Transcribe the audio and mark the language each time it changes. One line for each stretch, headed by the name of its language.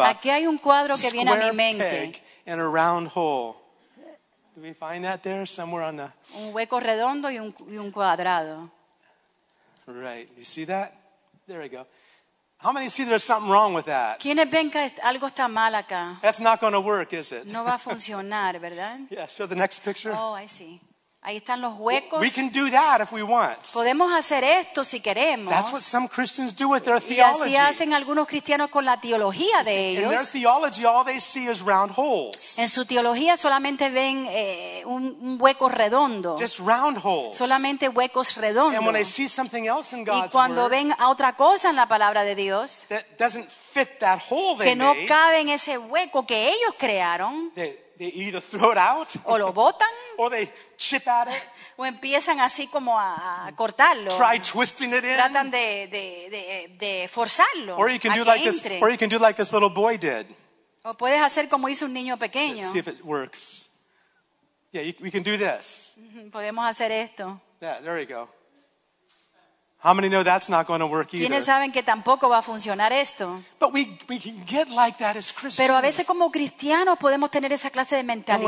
Spanish: aquí hay un cuadro que viene a mi mente.
English: Pig in a round hole. Do we find that there somewhere on the
Spanish: un hueco redondo y un cuadrado.
English: Right. You see that? There we go. How many see there's something wrong with that?
Spanish: ¿Quiénes ven que algo está mal acá?
English: That's not going to work, is it?
Spanish: No va a funcionar, ¿verdad?
English: Yeah, show the next picture. Oh, I see.
Spanish: Ahí están los huecos.
English: We can do that if we want.
Spanish: Podemos hacer esto si queremos.
English: That's what some Christians do with their theology.
Spanish: Y así hacen algunos cristianos con la teología de ellos.
English: In their theology, all they see is round holes.
Spanish: En su teología solamente ven un hueco redondo.
English: Just round holes.
Spanish: Solamente huecos redondos.
English: And when they see something else in God's word,
Spanish: y cuando ven a otra cosa en la palabra de Dios,
English: that doesn't fit that hole they
Spanish: que no
English: made,
Spanish: cabe en ese hueco que ellos crearon,
English: they either throw it out,
Spanish: o lo botan,
English: or they chip at it,
Spanish: o empiezan así como a cortarlo,
English: try twisting it in,
Spanish: tratan de forzarlo,
English: or you can do like
Spanish: entre.
English: This, or you can do like this little boy did.
Spanish: O puedes hacer como hizo un niño pequeño.
English: Let's see if it works. Yeah, we can do this.
Spanish: Podemos hacer esto.
English: Yeah, there you go. How many know that's not going to work either?
Spanish: ¿Quiénes saben que tampoco va a funcionar esto?
English: But we can get like that as Christians.
Spanish: Pero a veces como cristianos podemos tener esa clase de mentalidad.